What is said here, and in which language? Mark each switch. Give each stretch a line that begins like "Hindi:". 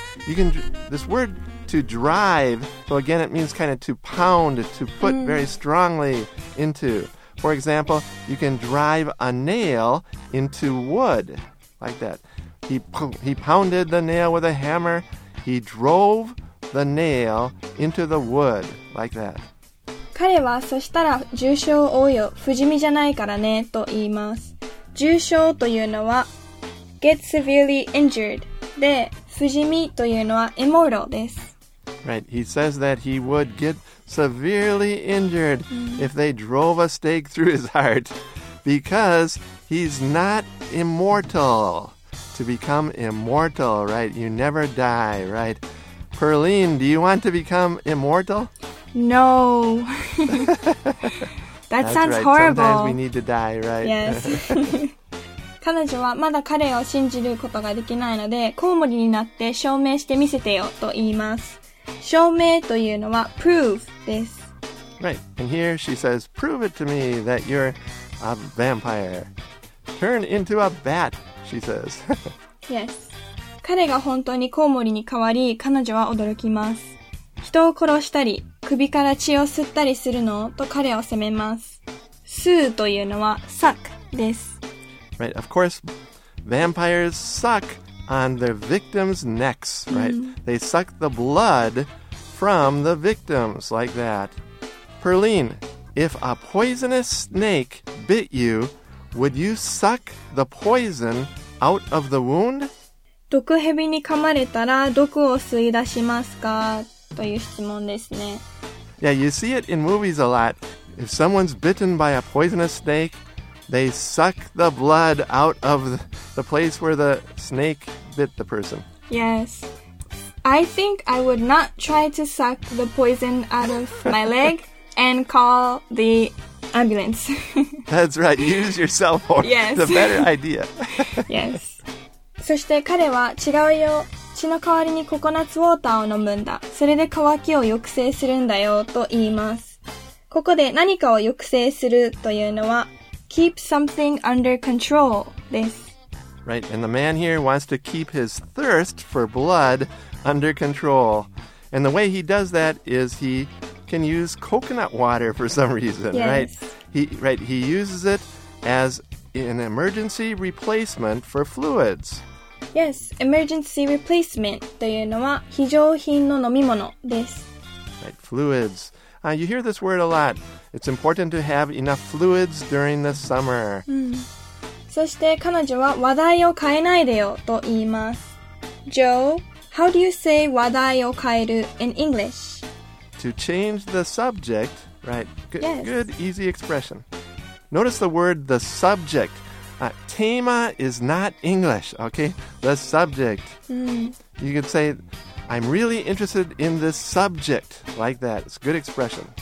English: You can, this word, to drive, so again, it means kind of to pound, to put mm. very strongly into. For example, you can drive a nail into wood, like that. He pounded the nail with a hammer. He drove the nail into the wood, like that.
Japanese: 彼はそしたら重傷を負うよ、不死身じゃないからねと言います。重傷というのは
English: get severely injured
Japanese: で、不死身というのは immortal です。
English: Right, he says that he would get severely injured if they drove a stake through his heart because he's not immortal. To become immortal, right? You never die, right? Perlene, do you want to become immortal? No. That sounds right. horrible. Sometimes we need to die, right? Yes.
Japanese: 彼女はまだ彼を信じることができないので、コウモリになって証明してみせてよと言います。証明というのは prove です。
English: Right. And here she says, prove it to me that you're a vampire. Turn into a bat. She says. Yes.
Japanese: 彼が本当にコウモリに変わり、彼女は驚きます。人を殺したり、首から血を吸ったりするの? と彼を責めます。吸うというのは suck です。
English: Right. Of course, vampires suck on their victims' necks, right? Mm-hmm. They suck the blood from the victims like that. Perlene, if a poisonous snake bit you,Would you suck the poison out of the wound?
Japanese: 毒蛇に噛まれたら毒を吸い出しますか? という質問ですね。
English: Yeah, you see it in movies a lot. If someone's bitten by a poisonous snake, they suck the blood out of the place where the snake bit the person. Yes. I think I would not try to suck the poison out of my leg and call the... Ambulance. That's right. Use your cell phone. Yes. The better idea.
Japanese: Yes. そして彼は違うよ。血の代わりにココナッツウォーターを飲むんだ。それで乾きを抑制するんだよと言います。ここで何かを抑制するというのは
English: keep something under control
Japanese: です。
English: Right. And the man here wants to keep his thirst for blood under control. And the way he does that is he... can use coconut water for some reason, yes. right? He uses it as an emergency replacement for fluids. Yes, emergency replacement
Japanese: というのは非常品の飲み物です。
English: Right, fluids. You hear this word a lot. It's important to have enough fluids during the summer.
Japanese: そして彼女は話題を変えないでよと言います。
English: Joe, how do you say
Japanese: 話題を変える
English: in English? To change the subject, right? Yes. Good, easy expression. Notice the word the subject. Tema is not English, okay? The subject. You could say, I'm really interested in this subject, like that. It's a good expression.